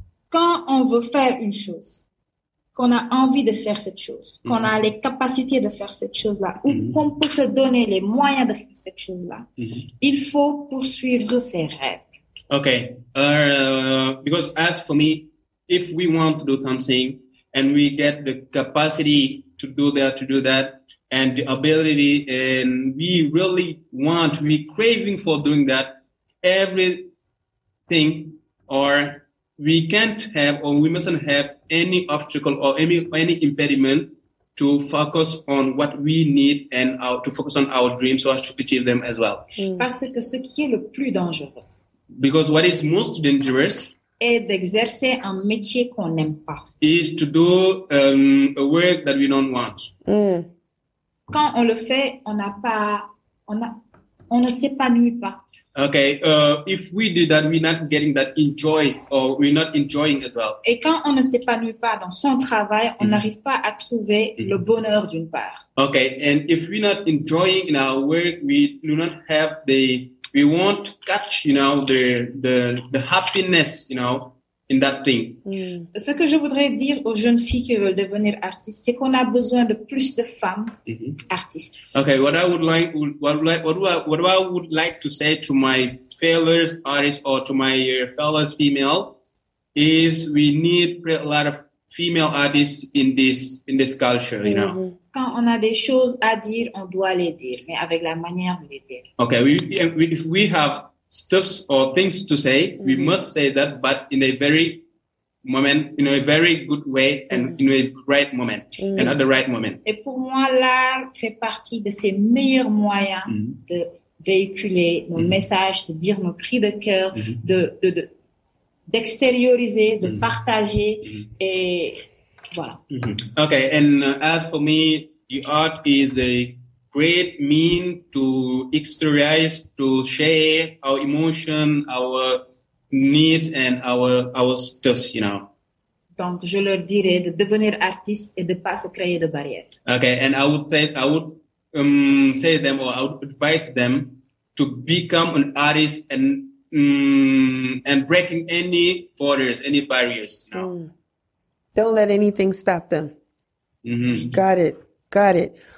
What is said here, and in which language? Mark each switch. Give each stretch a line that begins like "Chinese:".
French: Quand on veut faire une chose, qu'on a envie de faire cette chose, mm-hmm. qu'on a les capacités de faire cette chose-là, mm-hmm. ou qu'on peut se donner les moyens de faire cette chose-là, mm-hmm. il faut poursuivre ses rêves.
English: Okay, because as for me, if we want to do something and we get the capacity to do that, and the ability, and we really want, we craving for doing that, everything or we can't have or we mustn't have any obstacle or any impediment to focus on what we need and to focus on our dreams so as to achieve them as well. Mm.
French: Parce que ce qui est le plus dangereux,
English: because what is most dangerous
French: est d'exercer un métier qu'on n'aime pas.
English: Is to do a work that we don't want. Mm.
French: quand on le fait, on n'a pas, on ne s'épanouit pas.
English: Okay, if we do that, we're not getting that enjoy, or we're not enjoying as well.
French: Et quand on ne s'épanouit pas dans son travail, on n'arrive pas à trouver le bonheur d'une part.
English: Okay, and if we're not enjoying in our work, we do not have the, we won't catch, you know, the happiness, you know, in that thing.
French: Ce que je voudrais dire aux jeunes filles qui veulent devenir artistes, c'est qu'on a besoin de plus de femmes artistes.
English: Okay, what I would like to say to my fellow artists or to my fellow female is we need a lot of female artists in this culture, you know.
French: Quand on a des choses à dire, on doit les dire, mais avec la manière de les dire.
English: Okay, if we have stuffs or things to say, we must say that, but in a very moment, in a very good way, and in a right moment, and at the right moment.
French: Et pour moi, l'art fait partie de ces meilleurs moyens de véhiculer nos messages, de dire nos cris de cœur, d'extérioriser, de partager, et voilà.
English: Okay, and as for me, the art is a great mean to exteriorize, to share our emotion, our needs, and our stuff, you know.
French: Donc, je leur dirai de devenir artiste et de pas se créer de barrières.
English: Okay, and I would say them, or I would advise them to become an artist and breaking any borders, any barriers, you know. Don't let anything stop them. Got it.